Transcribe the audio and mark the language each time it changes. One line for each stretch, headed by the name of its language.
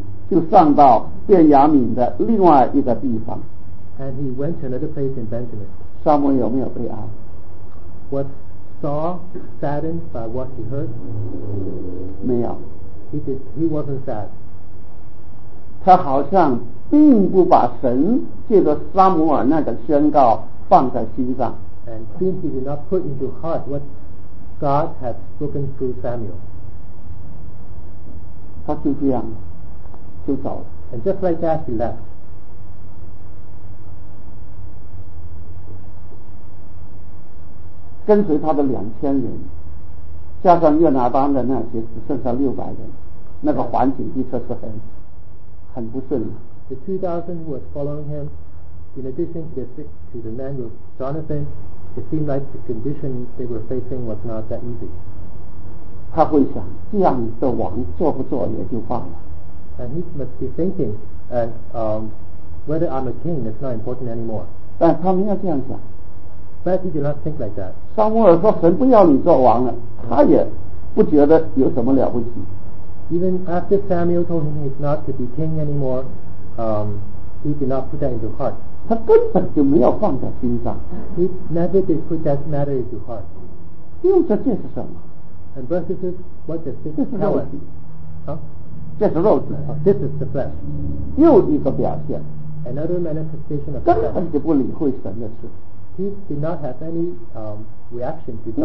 Chinese: 就上到便雅悯的另外一个地方。
English: And he went to another place in Benjamin.
Chinese: 撒母有没有悲哀？
English: Was Saul saddened by what he heard?
Chinese: 没有。
English: He wasn't sad.
Chinese: 他好像并不把神借着撒母耳那个宣告放在心上。
English: And since he did not put into heart what God had spoken through Samuel.
Chinese: 他就这样就走了。
English: And just like that, he left.
Chinese: 跟随他的2000人加上约拿丹的那些只剩下600人，那个环境的确是很不顺利。
English: The 2000 who was following him in addition to the man with Jonathan, it seemed like the condition they were facing was not that easy.
Chinese: 他会想这样的王做不做也就罢了。
English: And he must be thinking and, whether I'm a king is not important anymore.
Chinese: 但他们要这样想。
English: But he did not think like that.
Chinese: 撒母耳说神不要你做王了，他也不觉得有什么了不起。
English: Even after Samuel told him he's not to be king anymore, he did not put that into heart.
Chinese: 他根本就没有放在心上。
English: He never did put that matter into heart.
Chinese: 又说这是什么
English: ？And verses, what does this tell us?
Chinese: 这是肉体。 Huh? 这是肉体。
English: This is the flesh.
Chinese: 又一个表现。
English: Another manifestation of
Chinese: flesh. 根本就不理会神的事。
English: He did not have any reaction to God.